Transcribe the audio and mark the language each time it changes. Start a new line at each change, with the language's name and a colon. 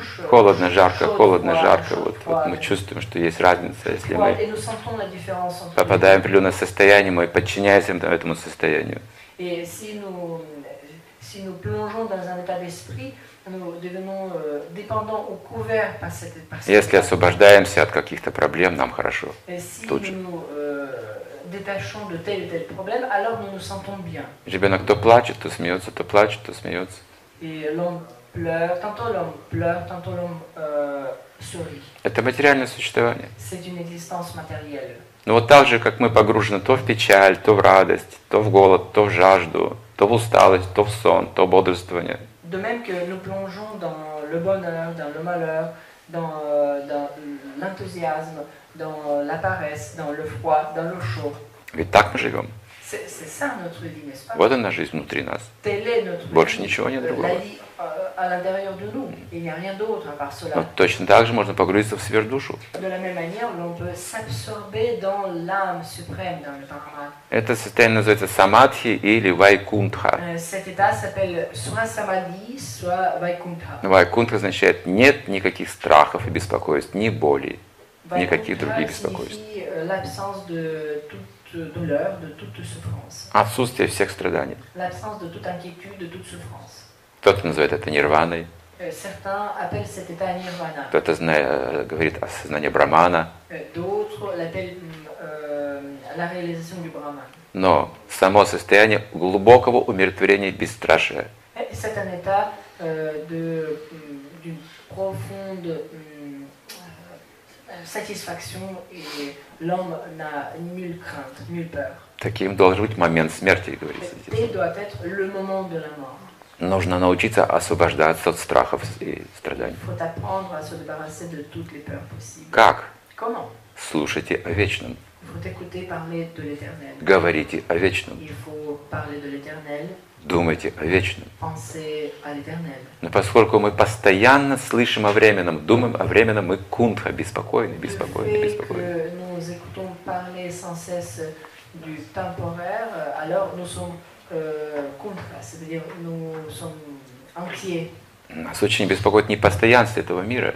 Russian: Холодно, жарко, холодно, жарко. Вот, вот мы чувствуем, что есть разница, если мы попадаем в определенное состояние, мы подчиняемся этому состоянию. Если освобождаемся от каких-то проблем, нам хорошо. Тут же.
French: Détachons de tel et tel problème, alors nous nous sentons bien.
Russian: Ребенок то плачет, то смеется, то плачет, то смеется.
French: Et l'homme pleure, tantôt l'homme pleure, tantôt l'homme sourit.
Russian: Это материальное существование.
French: C'est une existence matérielle.
Russian: Но вот так же, как мы погружены то в печаль, то в радость, то в голод, то в жажду, то в усталость, то в сон, то в бодрствование.
French: De même que nous plongeons dans le bonheur, dans le malheur, dans l'enthousiasme. Dans la paresse, dans le froid, dans le chaud.
Russian: Ведь так мы живем.
French: C'est ça notre vie, n'est-ce pas?
Russian: Вот она жизнь внутри нас.
French: Telle est notre
Russian: Больше
French: vie.
Russian: Ничего нет другого.
French: La vie à l'intérieur de nous. Il n'y a rien d'autre à part cela.
Russian: Но точно так же можно погрузиться в сверхдушу.
French: De la même manière, l'on peut s'absorber dans l'âme suprême, dans le Brahman.
Russian: Это состояние называется самадхи или вайкунтха.
French: Cet état s'appelle soit самадхи, soit вайкунтха.
Russian: Вайкунтха означает нет никаких страхов и беспокойств, ни боли. Никаких других беспокойств.
French: L'absence de toute douleur, de toute souffrance.
Russian: Отсутствие всех страданий.
French: L'absence de toute inquiétude, de toute souffrance.
Russian: Кто-то называет это нирваной.
French: Certains appellent cet état nirvana.
Russian: Кто-то говорит о сознании Брахмана.
French: D'autres l'appellent la réalisation du Brahman.
Russian: Но само состояние глубокого умиротворения и бесстрашия.
French: C'est un état d'une profonde satisfaction et l'homme n'a nulle crainte, nulle peur.
Russian: Таким должен быть момент смерти, говорится здесь.
French: Et doit être le moment de la mort.
Russian: Нужно научиться освобождаться от страхов и страданий.
French: Faut apprendre à se débarrasser de toutes les peurs possibles.
Russian: Как?
French: Comment?
Russian: Слушайте о вечном.
French: Faut écouter parler de l'éternel.
Russian: Говорите о вечном.
French: Il faut parler de l'éternel.
Russian: Думайте о вечном.
French: Pensez à l'éternel.
Russian: Но поскольку мы постоянно слышим о временном, думаем о временном, мы кунтха, беспокойны, беспокойны, беспокойны.
French: Nous écoutons parler sans cesse du temporaire, alors nous sommes кунтха, c'est-à-dire nous sommes inquiets.
Russian: Нас очень беспокоит непостоянство этого мира.